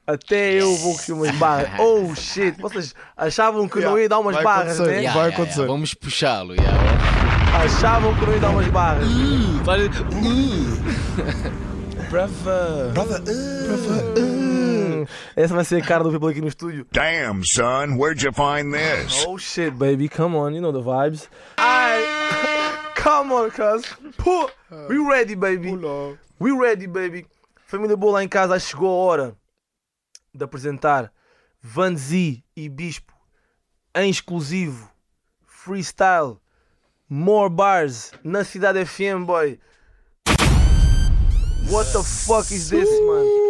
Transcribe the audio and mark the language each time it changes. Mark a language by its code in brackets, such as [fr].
[pt] Até eu vou cuspir umas barras. Oh shit, vocês achavam que não ia dar umas barras, né? Vai acontecer. Vamos puxá-lo, Achavam que não ia dar umas barras. Brother. Essa vai ser a cara do people aqui no estúdio. [en] Damn, son, where'd you find this? Oh shit, baby, come on, you know the vibes. Ai, come on, cuz. We ready, baby. We ready, baby. [pt] Família Boa lá em casa, chegou a hora de apresentar Van Z e Bispo em exclusivo freestyle More Bars na Cidade FM, boy. [en] What the fuck is this, man?